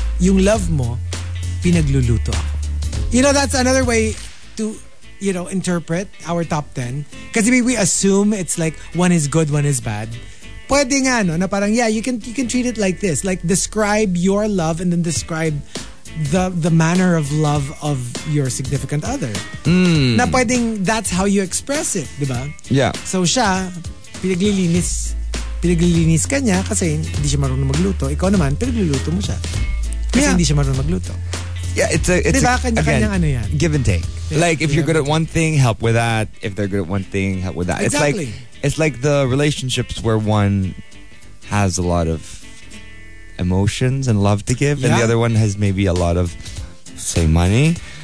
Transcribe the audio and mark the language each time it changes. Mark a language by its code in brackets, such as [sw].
[tl] Yung love mo, pinagluluto ako. [en] You know, that's another way to, you know, interpret our top 10. Kasi we assume it's like one is good, one is bad. [tl] Pwede nga, no? Na parang, [en] yeah, you can treat it like this. Like, describe your love and then describe the manner of love of your significant other. Mm. [tl] Na pwedeng, [en] that's how you express it, [tl] di ba? [en] Yeah. [tl] So siya, pinaglilinis ka niya kasi hindi siya marunong magluto. Ikaw naman, pinagluluto mo siya. Kasi hindi siya marunong magluto. [en] Yeah, it's [tl] diba? Kanya-kanya, [en] give and take. Yeah, like, if you're good at one thing, help with that. If they're good at one thing, help with that. Exactly. It's like the relationships where one has a lot of emotions and love to give, and the other one has maybe a lot of, say, money.